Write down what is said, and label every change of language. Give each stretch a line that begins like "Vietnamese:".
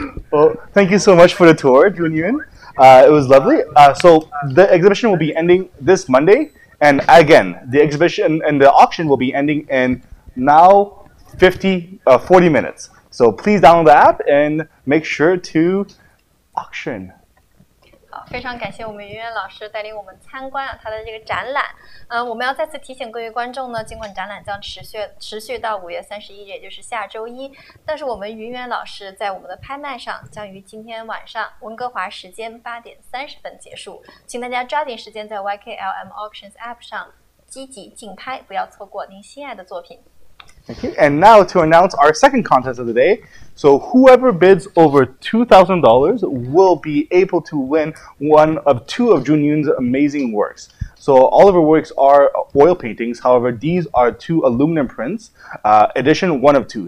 English: Well, thank you so much for the tour, Jun Yuan. It was lovely. So the exhibition will be ending this Monday. And again, the exhibition and the auction will be ending in now 40 minutes. So please download the app and make sure to auction.
Chinese: 好，非常感谢我们云云老师带领我们参观他的这个展览。我们要再次提醒各位观众呢，尽管展览将持续到5月31日，也就是下周一，但是我们云云老师在我们的拍卖上将于今天晚上温哥华时间8:30结束，请大家抓紧时间在 YKLM Auctions App 上积极竞拍，不要错过您心爱的作品。
English: Okay, and now to announce our second contest of the day. So whoever bids over $2,000 will be able to win one of two of Jun Yuan's amazing works. So all of her works are oil paintings. However, these are two aluminum prints, edition 1 of 2.